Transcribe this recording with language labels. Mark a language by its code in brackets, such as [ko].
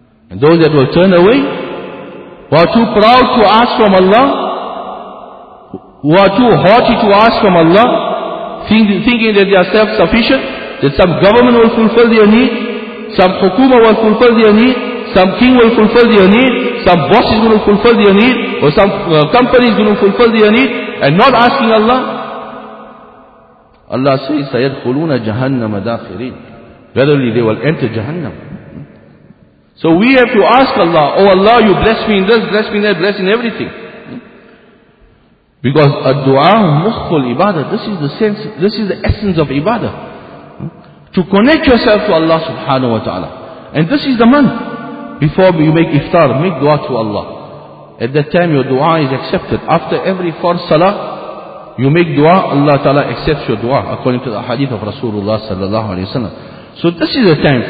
[en] And those that will turn away, who are too proud to ask from Allah, who are too haughty to ask from Allah, thinking that they are self-sufficient, that some government will fulfill their need, some hukuma will fulfill their need, some king will fulfill their need, some boss is going to fulfill their need, or some company is going to fulfill their need, and not asking Allah. Allah says, [ar] سَيَدْخُلُونَ جَهَنَّمَ دَاخِرِينَ. [en] Verily, they will enter Jahannam. So we have to ask Allah, oh Allah, you bless me in this, bless me in that, bless in everything. Because [ar] الدُّعَى مُخُّ الْإِبَادَةِ. [en] This is the sense, this is the essence of ibadah. To connect yourself to Allah subhanahu wa ta'ala. And this is the month. Before you make iftar, make dua to Allah. At that time your dua is accepted. After every four salah, you make dua, Allah Ta'ala accepts your dua, according to the hadith of Rasulullah sallallahu alayhi wa sallam. So this is the time.